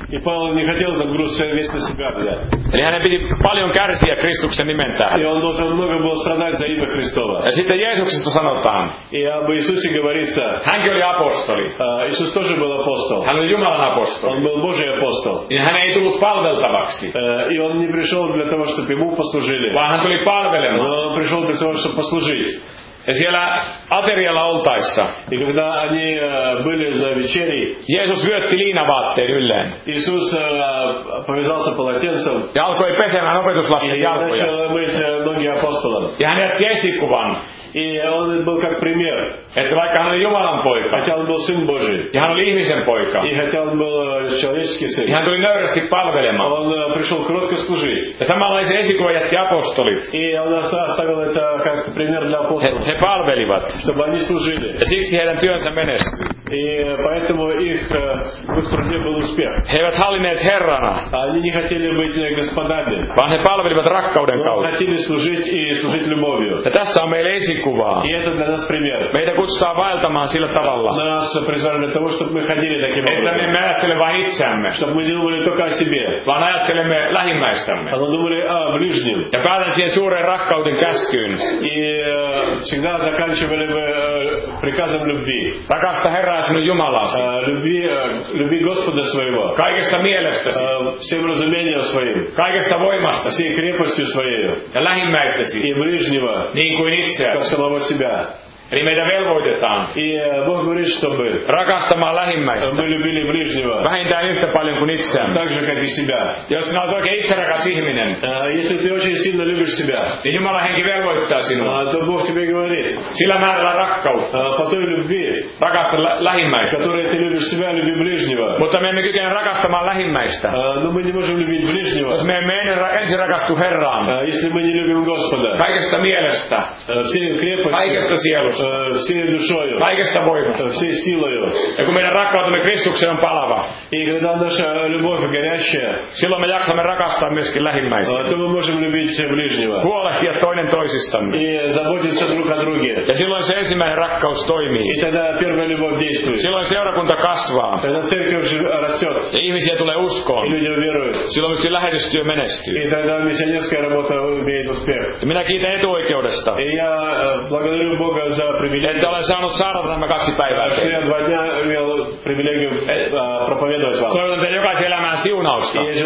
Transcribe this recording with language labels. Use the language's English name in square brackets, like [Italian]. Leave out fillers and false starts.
[Russian] И Павел не хотел этот груз вместо себя взять. [Finnish] Eli hänen piti paljon kärsiä Kristuksen nimen tähden. [Russian] И он должен много было страдать за имя Христова. [Finnish] Ja sitten Jeesuksesta sanotaan. [Russian] И об Иисусе говорится. [Finnish] Hänkin oli apostoli. [Russian] Иисус тоже был апостол. [Finnish] Hän oli Jumalan апостол. [Russian] Он был Божий апостол. И [Finnish] hän ei tullut palveltavaksi. [Russian] И он не пришел для того, чтобы ему послужили. [Finnish] Vaan hän tuli palvelemaan. [Russian] Но он пришел для того, чтобы послужить. [Finnish] Ja siellä aterialla oltaessa. [Russian] И когда они были за вечерей. [Finnish] Jeesus vyötti liinavaatteen ylleen. [Russian] Иисус повязался полотенцем. [Finnish] Ja alkoi pesemään opetuslasten jalkoja. [Russian] И начал мыть ноги апостолам. [Finnish] Ja hän jätti esikuvan. [Russian] И он был как пример. Это вайка, он [Finnish] Jumalan poika. [Russian] Хотя он был сын Божий. И [Finnish] hän oli ihmisen poika. [Russian] И хотя он был человеческий сын. И [Finnish] hän tuli nöyrästi palvelemaan. [Russian] Он пришел кротко служить. [Finnish] Ja samanlaisen esikuva jätti apostolit. [Russian] И он оставил это как пример для апостолов. [Finnish] He palvelivat. [Russian] Чтобы они служили. [Finnish] Ja siksi heidän työnsä menestyi. [Russian] И поэтому их в их труде был успех. [Finnish] He eivät hallinneet herrana. [Russian] Они не хотели быть господами. [Finnish] Vaan he palvelivat rakkauden kautta. [Russian] Хотели служить и служить любовью. [Finnish] Ja tässä on meille esikuva. [Russian] И это для нас пример. [Finnish] Meitä kutsutaan vaeltamaan sillä tavalla. [Russian] Нас призвали того, чтобы мы ходили таким образом. [Finnish] Että me ajattelemme vain itseämme. [Russian] Чтобы мы думали только о себе. [Finnish] Vaan ajattelemme lähimmäistämme. [Russian] Но думали о ближнем. [Finnish] Ja päätän siihen suureen rakkauden käskyyn. [Russian] И всегда заканчивали мы приказом любви. [Finnish] Rakasta Herraa sinun Jumalasi. [Russian] Люби Господа своего. [Finnish] Kaikesta mielestäsi. [Russian] Всем разумением своим. [Finnish] Kaikesta voimasta. [Russian] Всей крепостью своей. [Finnish] Ja lähimmäistäsi. [Russian] И ближнего. [Finnish] Niin kuin itseäsi. [Russian] Как самого себя. [Finnish] Eli meitä velvoitetaan. [Russian] И Бог говорит, чтобы [Finnish] rakastamaan lähimmäistä. [Russian] Мы любили ближнего. [Finnish] Vähintään yhtä paljon kuin itseämme. [Russian] Так же, как и себя. [Finnish] Jos sinä olet oikein itserakas ihminen. [Russian] Если ты очень сильно любишь себя. [Finnish] Niin Jumala henki velvoittaa sinua. [Russian] То Бог тебе говорит. [Finnish] Sillä määrällä rakkautta. [Russian] По той любви. [Finnish] Rakasta lähimmäistä. [Russian] Которой ты любишь себя, люби ближнего. [Finnish] Mutta me emme kykene rakastamaan lähimmäistä. [Russian] Но мы не можем любить ближнего. [Finnish] Jos me emme ensin rakastu Herraan. [Russian] Если мы не любим Господа. [Finnish] Kaikesta mielestä. Kaikesta sielusta. [Russian] Всей душою. [Finnish] Kaikesta voimasta. [Russian] Всей силою. [Finnish] Ja kun meidän rakkautemme Kristukseen on palava. [Russian] И когда наша любовь горящая. [Finnish] Silloin me jaksamme rakastaa myöskin lähimmäisiä. [Russian] То мы можем любить ближнего. [Finnish] Huolehtia toinen toisistamme. [Russian] И заботиться друг о друге. [Finnish] Ja silloin se ensimmäinen rakkaus toimii. [Russian] И тогда первая любовь действует. [Finnish] Silloin seurakunta kasvaa. [Russian] Тогда церковь растет. [Finnish] Ja ihmisiä tulee uskoon. [Russian] И люди уверуют. [Finnish] Silloin myöskin lähetystyö menestyy. [Russian] И тогда миссионерская работа имеет успех. [Finnish] Ja minä kiitän etuoikeudesta. [Russian] И я благодарю Бога. [Finnish] Että olen saanut saada nämä kaksi päivää. Toivon teidän jokaisen elämään siunausta.